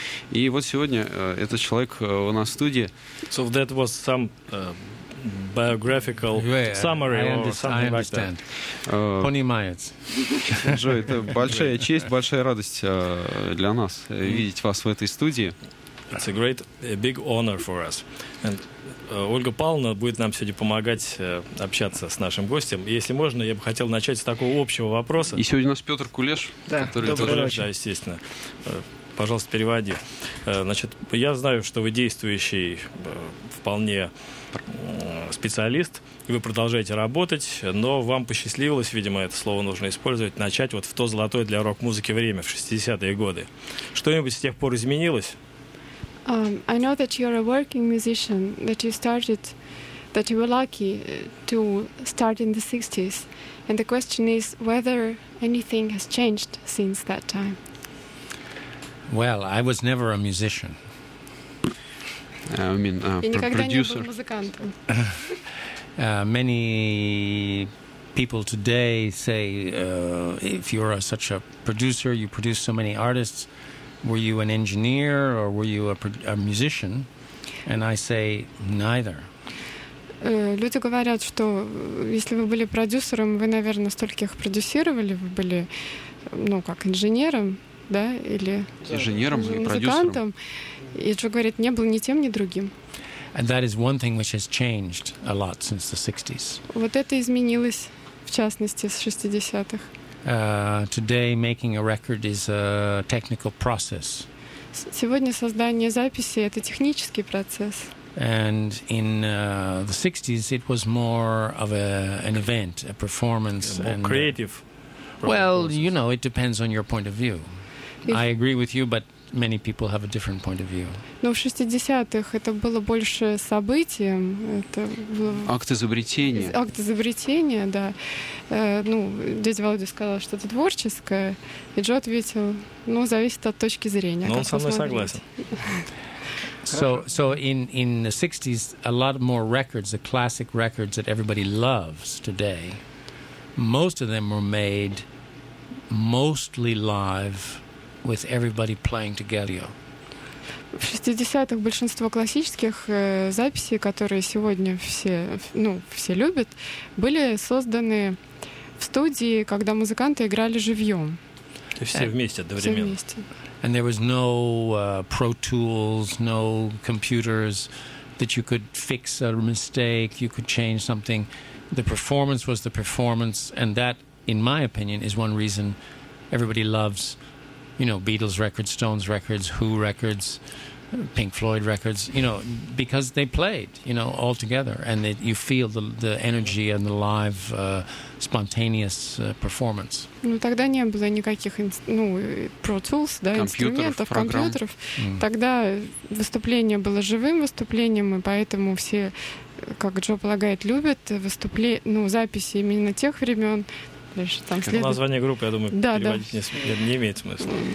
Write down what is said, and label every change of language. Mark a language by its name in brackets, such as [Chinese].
[Russian] И вот сегодня этот человек у нас в студии. [English] So that was some biographical summary. I understand. [Russian] Понимает. Джо, это большая честь, большая радость для нас видеть вас в этой студии. [English] It's a great, a big honor for us. [Russian] And Ольга Павловна будет нам сегодня помогать общаться с нашим гостем. И если можно, я бы хотел начать с такого общего вопроса. И сегодня у нас Петр Кулеш. Да, который тоже, да, естественно. Пожалуйста, переводи. Значит, я знаю, что вы действующий вполне специалист, и вы продолжаете работать, но вам посчастливилось, видимо, это слово нужно использовать, начать вот в то золотое для рок-музыки время, в 60-е годы. Что-нибудь с тех пор изменилось? [English] I know that you're a working musician, that you were lucky to start in the 60s. And the question is whether anything has changed since that time. Well, I was never a musician. I mean, producer. Many people today say, if you're such a producer, you produce so many artists, were you an engineer or were you a musician? And I say, neither. [Russian] Люди говорят, что если вы были продюсером, вы, наверное, стольких продюсировали, вы были, ну, как инженером. Да, или инженером и музыкантом, и Джо говорит, не был ни тем, ни другим. [English] And that is one thing which has changed a lot since the 60s. [Russian] Вот это изменилось, в частности, с 60-х. [English] Today making a record is a technical process. [Russian] Сегодня создание записи — это технический процесс. [English] And in the 60s it was more of an event, a performance. Yeah, more creative. Well, you know, it depends on your point of view. I agree with you, but many people have a different point of view. [Russian] Но в 60-х это было больше событием, это было акт изобретения. Акт изобретения, да. Ну, дядя Володя сказал, что это творческое, и Джо ответил, ну, зависит от точки зрения. Но он со мной согласен. [English] So in the 60s, a lot more records, the classic records that everybody loves today, most of them were made mostly live, with everybody playing together. [Russian] в 60-х большинство классических записей, которые сегодня все, ну, все любят, были созданы в студии, когда музыканты играли живьем. То есть все вместе одновременно. Все вместе. [English] And there was no Pro Tools, no computers that you could fix a mistake, you could change something. The performance was the performance, and that, in my opinion, is one reason everybody loves, you know, Beatles records, Stones records, Who records, Pink Floyd records, you know, because they played, you know, all together, and it, you feel the energy and the live spontaneous performance. [Russian] Ну тогда не было никаких ну Pro Tools, да, инструментов, компьютеров. Тогда выступление было живым выступлением, и поэтому все, как Джо полагает, любят записи именно тех времен. Это название группы, я думаю, не имеет смысла.